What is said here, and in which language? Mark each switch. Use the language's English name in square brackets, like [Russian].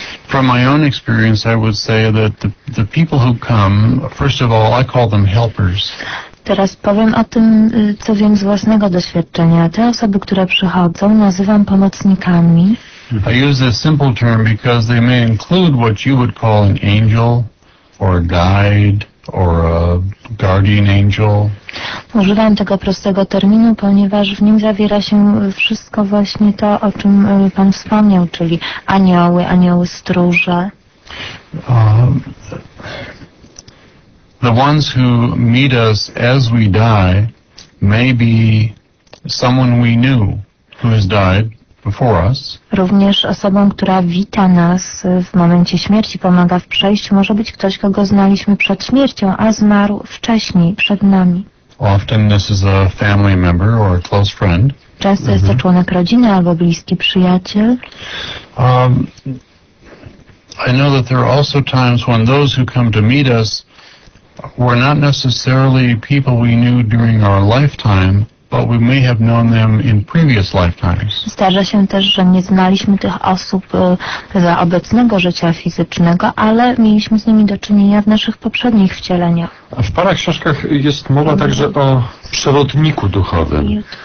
[English] From my own experience, I would say that the people who come, first of all, I call them helpers. [Polish] Teraz powiem o tym, co wiem z własnego doświadczenia. Te osoby, które przychodzą, nazywam pomocnikami. [English] I use this simple term because they may include what you would call an angel, or a guide, or a guardian angel. [Polish] Używam tego prostego terminu, ponieważ w nim zawiera się wszystko właśnie to, o czym pan wspomniał, czyli anioły, anioły stróże. [English] The ones who meet us as we die may be someone we knew who has died before us. [Polish] Również osobą, która wita nas w momencie śmierci, pomaga w przejściu, może być ktoś, kogo znaliśmy przed śmiercią, a zmarł wcześniej, przed nami. [English] Often this is a family member or a close friend. [Polish] Często jest to członek rodziny albo bliski przyjaciel. [English] I know that there are also times when those who come to meet us were not necessarily people we knew during our lifetime, but we may have known them in previous lifetimes. [Polish] Zdarza się też, że nie znaliśmy tych osób za obecnego życia fizycznego, ale mieliśmy z nimi do czynienia w naszych poprzednich wcieleniach. A w paru książkach jest mowa także o przewodniku duchowym.